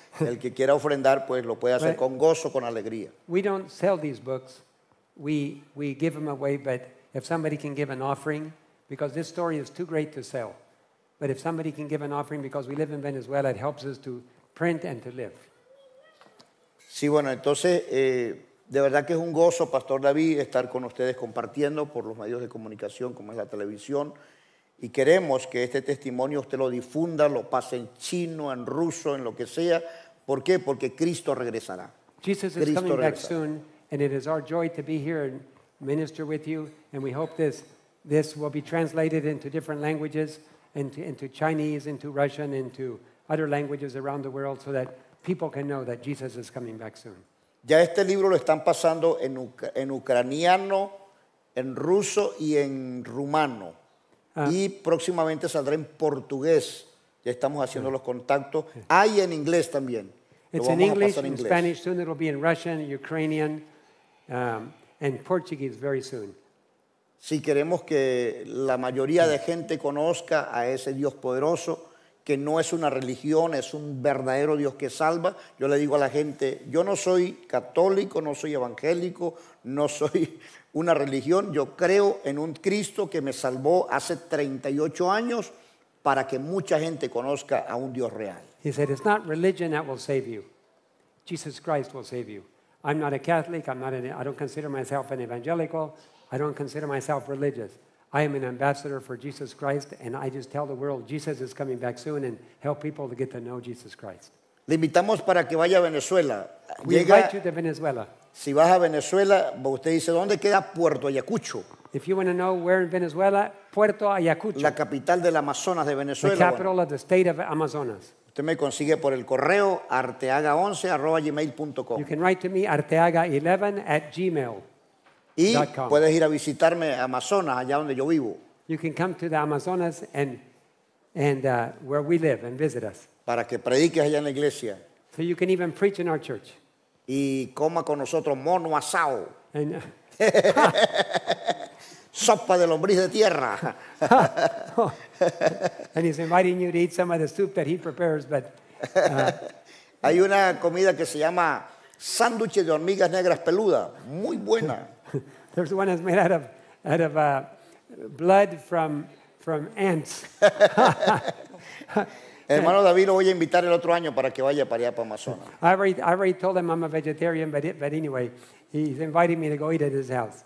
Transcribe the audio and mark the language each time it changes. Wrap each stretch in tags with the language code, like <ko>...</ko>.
<es>El que quiera ofrendar, pues lo puede hacer con gozo, con alegría.</es> <en>We don't sell these books. We give them away, but if somebody can give an offering, because this story is too great to sell, but if somebody can give an offering because we live in Venezuela, it helps us to print and to live.</en> <es>Sí, bueno, entonces, de verdad que es un gozo, Pastor David, estar con ustedes compartiendo por los medios de comunicación, como es la televisión, y queremos que este testimonio usted lo difunda, lo pase en chino, en ruso, en lo que sea. ¿Por qué? Porque Cristo regresará.</es> <en>Jesus is coming back soon, and it is our joy to be here and minister with you, and we hope this will be translated into different languages, into Chinese, into Russian, into other languages around the world, so that people can know that Jesus is coming back soon.</en> <es>Ya este libro lo están pasando en ucraniano, en ruso y en rumano. Y próximamente saldrá en portugués. Ya estamos haciendo los contactos. Hay en inglés también.</es> <en>It's in English, in Spanish. Soon it'll be in Russian, Ukrainian, and Portuguese very soon.</en> <es>Si queremos que la mayoría de gente conozca a ese Dios poderoso, que no es una religión, es un verdadero Dios que salva. Yo le digo a la gente, yo no soy católico, no soy evangélico, no soy una religión. Yo creo en un Cristo que me salvó hace 38 años para que mucha gente conozca a un Dios real.</es> <en>He said, it's not religion that will save you. Jesus Christ will save you. I'm not a Catholic. I don't consider myself an evangelical. I don't consider myself religious. I am an ambassador for Jesus Christ, and I just tell the world Jesus is coming back soon and help people to get to know Jesus Christ.</en> <es>Le invitamos para que vaya a Venezuela.</es> <en>Llega, we invite you to Venezuela.</en> <es>Si vas a Venezuela, usted dice, ¿dónde queda Puerto Ayacucho?</es> <en>If you want to know where in Venezuela, Puerto Ayacucho.</en> <es>La capital del Amazonas de Venezuela.</es> <en>The capital of the state of Amazonas.</en> <es>Usted me consigue por el correo arteaga11@gmail.com.</es> <en>You can write to me arteaga11@gmail.com.</en> <es>Y puedes ir a visitarme a Amazonas, allá donde yo vivo.</es> <en>You can come to the Amazonas and where we live and visit us.</en> <es>Para que prediques allá en la iglesia.</es> <en>So you can even preach in our church.</en> <es>Y coma con nosotros mono asado. And, sopa de lombriz de tierra.</es> <en>And he's inviting you to eat some of the soup that he prepares, but</en> <es>hay una comida que se llama sándwich de hormigas negras peludas, muy buena.</es> <en>There's one that's made out of blood from ants.</en> <es>Hermano David, lo voy a invitar el otro año para que vaya para allá, para Amazonas.</es> <en>I already told him I'm a vegetarian, but anyway, he's inviting me to go eat at his house.</en>